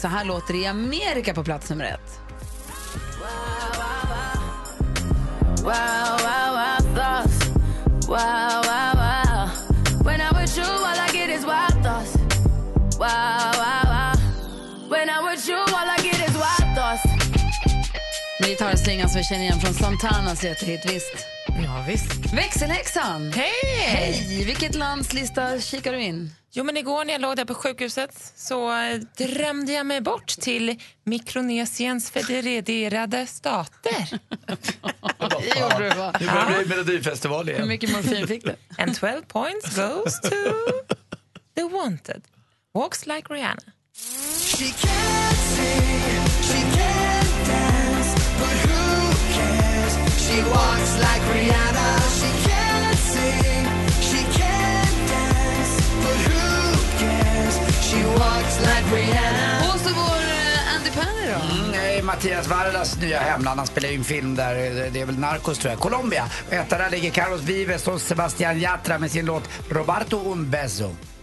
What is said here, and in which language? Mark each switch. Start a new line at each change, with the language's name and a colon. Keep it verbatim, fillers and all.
Swedish: Så här låter det i Amerika på plats nummer ett.
English: Wow, wow, wow, wow thoughts. Wow, wow, wow. When I'm with you, all I get is wild thoughts. Wow, wow, wow. When I'm with you, all I get is wild thoughts.
Swedish: En gitarrslinga som vi känner igen från Santanas jättehit, visst? Ja, visst. Växelhäxan! Hej! Hej! Vilket landslista kikar du in? Jo, men igår när jag låg där på sjukhuset så drömde jag mig bort till Mikronesiens federerade stater. Det gjorde du, va? Nu börjar det bli Melodifestival igen. Hur mycket morfin fick du?
English: And twelve points goes to the wanted. Walks like Rihanna. She can't sing, she can't dance, but who cares? She walks like Rihanna. She can't sing, she can't dance, but who cares? She walks like Rihanna.
Swedish: Och så vår uh, Andy Panner då? Mm, nej, Mattias Vargas nya hemland. Han spelar ju en film där, det är väl Narcos tror jag. Colombia. Och efter där ligger Carlos Vives och Sebastián Yatra med sin låt Roberto Un Beso.